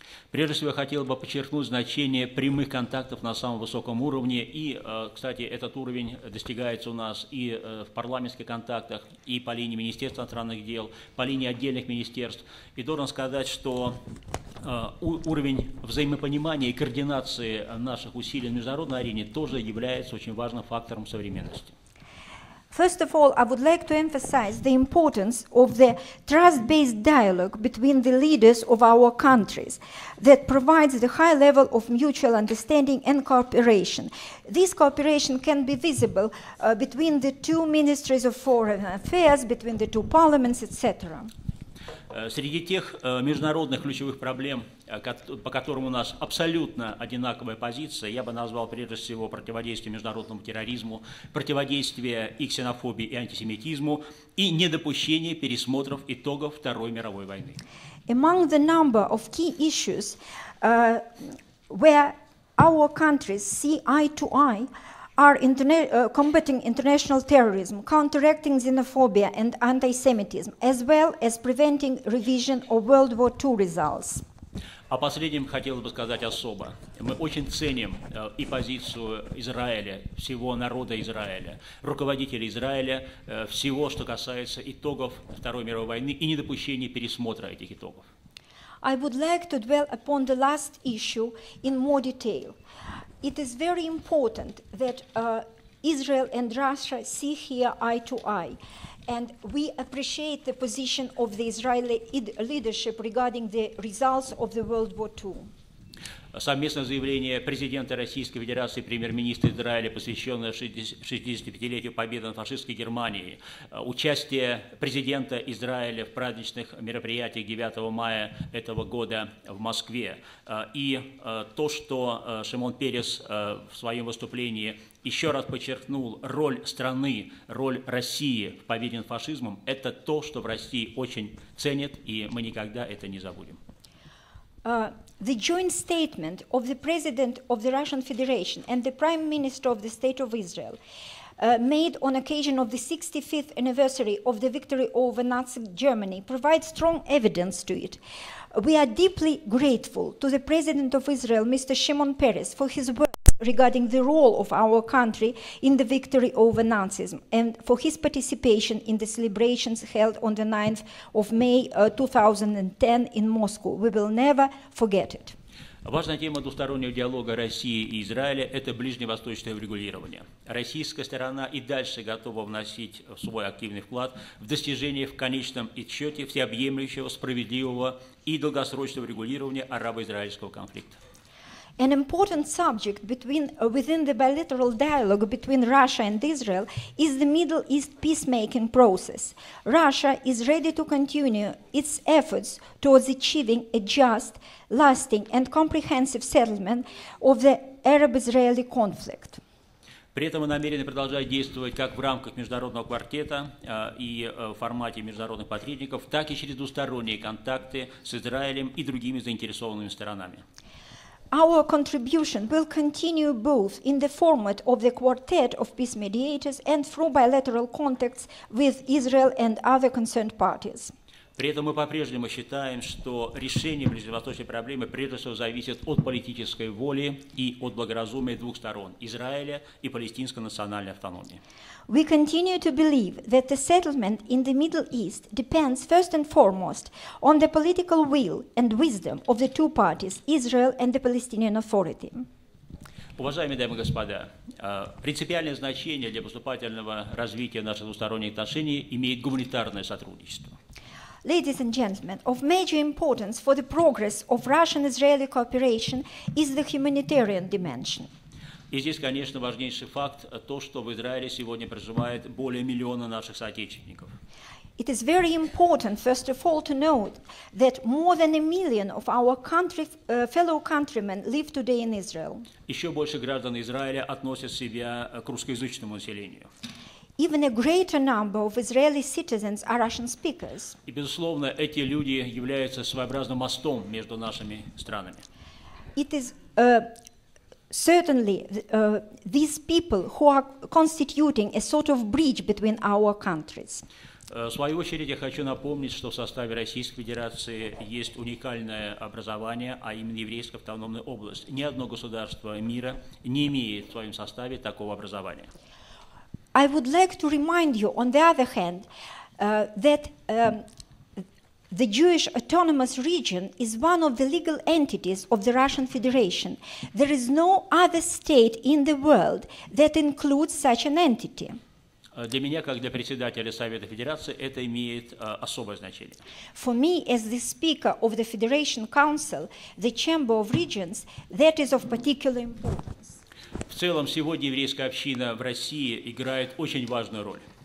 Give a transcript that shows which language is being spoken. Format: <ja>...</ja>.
<ru>Прежде всего, я хотел бы подчеркнуть значение прямых контактов на самом высоком уровне. И, кстати, этот уровень достигается у нас и в парламентских контактах, и по линии Министерства иностранных дел, по линии отдельных министерств. И должен сказать, что уровень взаимопонимания и координации наших усилий на международной арене тоже является очень важным фактором современности.</ru> <en>First of all, I would like to emphasize the importance of the trust-based dialogue between the leaders of our countries that provides the high level of mutual understanding and cooperation. This cooperation can be visible between the two ministries of foreign affairs, between the two parliaments, etc.</en> <ru>Среди тех международных ключевых проблем, по которым у нас абсолютно одинаковая позиция, я бы назвал прежде всего противодействие международному терроризму, противодействие и ксенофобии, и антисемитизму, и недопущение пересмотров итогов Второй мировой войны.</ru> <en>Among the number of key issues where our countries see eye to eye are combating international terrorism, counteracting xenophobia and anti-Semitism, as well as preventing revision of World War II results.</en> <ru>О последнем хотелось бы сказать особо. Мы очень ценим и позицию Израиля, всего народа Израиля, руководителей Израиля, всего, что касается итогов Второй мировой войны и недопущения пересмотра этих итогов.</ru> <en>I would like to dwell upon the last issue in more detail. It is very important that Israel and Russia see here eye to eye. And we appreciate the position of the Israeli leadership regarding the results of the World War II.</en> <ru>Совместное заявление президента Российской Федерации и премьер-министра Израиля, посвященное 65-летию победы над фашистской Германией, участие президента Израиля в праздничных мероприятиях 9 мая этого года в Москве и то, что Шимон Перес в своем выступлении еще раз подчеркнул роль страны, роль России в победе над фашизмом, это то, что в России очень ценят, и мы никогда это не забудем.</ru> <en>The joint statement of the President of the Russian Federation and the Prime Minister of the State of Israel made on occasion of the 65th anniversary of the victory over Nazi Germany provides strong evidence to it. We are deeply grateful to the President of Israel, Mr. Shimon Peres, for his words regarding the role of our country in the victory over Nazism and for his participation in the celebrations held on the 9th of May 2010 in Moscow. We will never forget it.</en> <ru>Важная тема двустороннего диалога России и Израиля – это ближневосточное урегулирование. Российская сторона и дальше готова вносить свой активный вклад в достижение в конечном итоге всеобъемлющего, справедливого и долгосрочного регулирования арабо-израильского конфликта.</ru> <en>An important subject within the bilateral dialogue between Russia and Israel is the Middle East peacemaking process. Russia is ready to continue its efforts towards achieving a just, lasting, and comprehensive settlement of the Arab-Israeli conflict.</en> <ru>При этом мы намерены продолжать действовать как в рамках международного квартета и в формате международных посредников, так и через двусторонние контакты с Израилем и другими заинтересованными сторонами.</ru> <en>Our contribution will continue both in the format of the quartet of peace mediators and through bilateral contacts with Israel and other concerned parties.</en> <ru>При этом мы по-прежнему считаем, что решение ближневосточной проблемы прежде всего зависит от политической воли и от благоразумия двух сторон – Израиля и палестинской национальной автономии.</ru> <en>We continue to believe that the settlement in the Middle East depends first and foremost on the political will and wisdom of the two parties – Israel and the Palestinian Authority.</en> <ru>Уважаемые дамы и господа, принципиальное значение для поступательного развития наших двусторонних отношений имеет гуманитарное сотрудничество.</ru> <en>Ladies and gentlemen, of major importance for the progress of Russian-Israeli cooperation is the humanitarian dimension.</en> <ru>И здесь, конечно, важнейший факт – то, что в Израиле сегодня проживает более миллиона наших соотечественников.</ru> <en>It is very important, first of all, to note that more than a million of our fellow countrymen live today in Israel.</en> <ru>Еще больше граждан Израиля относят себя к русскоязычному населению.</ru> <en>Even a greater number of Israeli citizens are Russian speakers.</en> <ru>И, безусловно, эти люди являются своеобразным мостом между нашими странами.</ru> <en>It is certainly these people who are constituting a sort of bridge between our countries.</en> <ru>В свою очередь, я хочу напомнить, что в составе Российской Федерации есть уникальное образование, а именно Еврейская автономная область. Ни одно государство мира не имеет в своем составе такого образования.</ru> <en>I would like to remind you, on the other hand, that the Jewish Autonomous Region is one of the legal entities of the Russian Federation. There is no other state in the world that includes such an entity.</en> <ru>Для меня, как для председателя Совета Федерации, это имеет особое значение.</ru> <en>For me, as the Speaker of the Federation Council, the Chamber of Regions, that is of particular importance.</en> <ru>В целом, сегодня еврейская община в России играет очень важную роль.</ru>